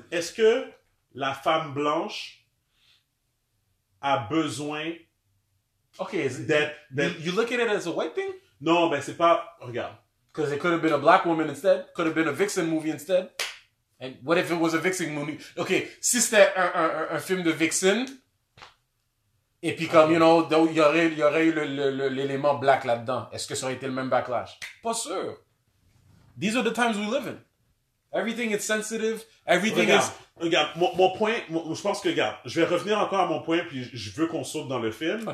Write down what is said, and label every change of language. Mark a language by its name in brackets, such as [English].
[French] Est-ce que la femme blanche a besoin. [English] You look at it as a white thing? [French] Non, ben c'est pas. Regarde. [English] Because it could have been a black woman instead. Could have been a vixen movie instead. And what if it was a vixen movie? [French] Okay, si c'était un film de vixen. Et puis comme, il y aurait eu l'élément black là-dedans. Est-ce que ça aurait été le même backlash? Pas sûr. [English] These are the times we live in. Everything is sensitive. [French] Regarde, mon point, je pense que, regarde, je vais revenir encore à mon point, puis je veux qu'on saute dans le film.